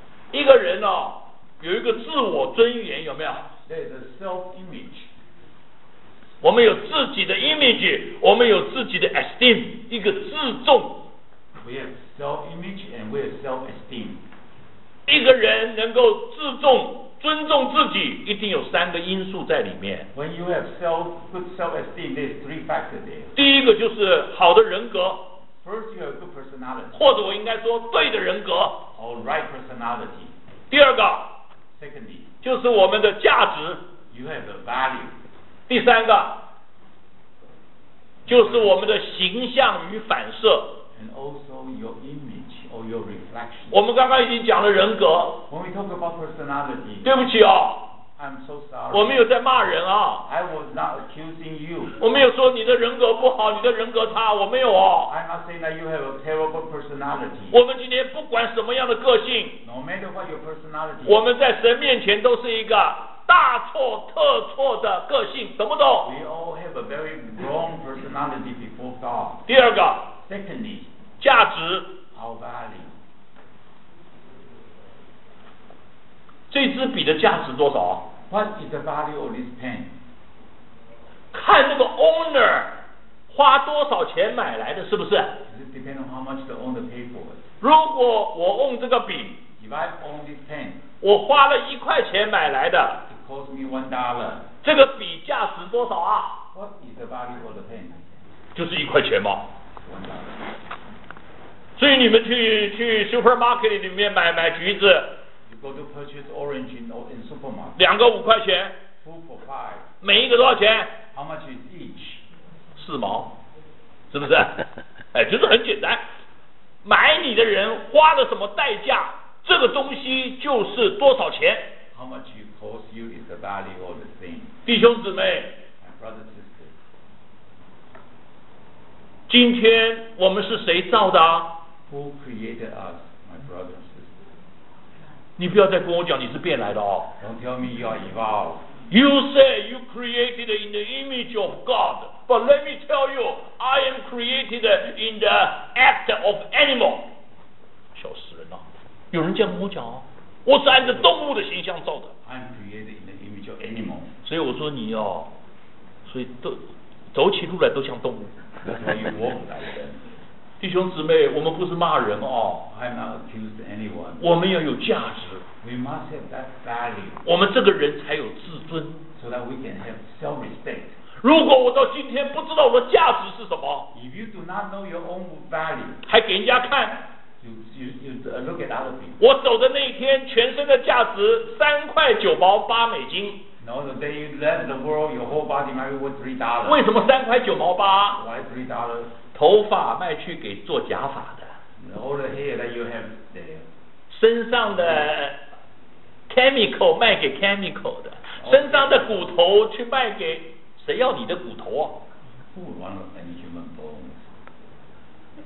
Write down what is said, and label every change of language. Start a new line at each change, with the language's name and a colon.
Chinese: 一个人哦，有一个自我尊严，有没有
English: ？There's a self-image.
Chinese: 我们有自己的 image， 我们有自己的 esteem， 一个自重。
English: We have self-image and we have self-esteem.
Chinese: 一个人能够自重、尊重自己，一定有三个因素在里面。
English: When you have self-esteem, there's three factors there.
Chinese: 第一个就是好的人格。
English: First, you have good personality.
Chinese: 或者我应该说对的人格。
English: Or right personality.
Chinese: 第二个。
English: Secondly.
Chinese: 就是我们的价值。
English: You have the value.
Chinese: 第三个。就是我们的形象与反射。
English: And also your image or your reflection.
Chinese: 我们刚刚已经讲了人格。
English: When we talk about personality.
Chinese: 对不起哦。
English: I'm so sorry.
Chinese: 我没有在骂人啊。
English: I was not accusing you.
Chinese: 我没有说你的人格不好，你的人格差，我没有哦。
English: I'm not saying that you have a terrible personality.
Chinese: 我们今天不管什么样的个性。
English: No matter what your personality.
Chinese: 我们在神面前都是一个大错特错的个性，什么都。
English: We all have a very wrong personality before God.
Chinese: 第二个。
English: Secondly,
Chinese: 价值
English: our value.
Chinese: 这支笔的价值多少
English: What is the value of this pen?
Chinese: 看那个 O owner 花多少钱买来的，是不是？
English: It depends on how much the owner paid for.
Chinese: 如果我 own 这个笔，
English: If I own this pen,
Chinese: 我花了一块钱买来的，
English: It cost me $1.
Chinese: 这个笔价值多少啊？
English: What is the value of the pen?
Chinese: 就是一块钱嘛。
English: $1.
Chinese: 所以你们 去 supermarket 里面买橘子。
English: You go to purchase orange in supermarket.
Chinese: 两个五块钱。
English: Two for five.
Chinese: 每一个多少钱？
English: How much is each?
Chinese: 四毛，是不是？哎，就是很简单，买你的人花了什么代价，这个东西就是多少钱。
English: How much it costs you is the value of the thing.
Chinese: 弟兄姊妹。
English: And brother sister.
Chinese: 今天我们是谁造的？
English: Who created us, my brother?
Chinese: 你不要再跟我讲你是变来的哦。
English: Don't tell me you are evolved. You say you created in the image of God, but let me tell you, I am created in the act of animal.
Chinese: 笑死人了，有人这样跟我讲哦，我是按照动物的形象造的。
English: I'm created in the image of animal.
Chinese: 所以我说你哦，所以都走起路来都像动物。我是来的。弟兄姊妹，我们不是骂人哦。
English: I'm not accused anyone.
Chinese: 我们要有价值。
English: We must have that value.
Chinese: 我们这个人才有自尊。
English: So that we can have self-respect.
Chinese: 如果我到今天不知道我的价值是什么。
English: If you do not know your own value.
Chinese: 还给人家看。
English: You look at other people.
Chinese: 我走的那一天，全身的价值$3.98。
English: No, the day you left the world, your whole body might be worth $3.
Chinese: 为什么$3.98？
English: Why $3?
Chinese: 头发卖去给做假发的，
English: All the hair that you have there.
Chinese: 身上的 chemical 卖给 chemical 的，
English: okay.
Chinese: 身上的骨头去卖给谁要你的骨头啊？
English: Who wants any human bones?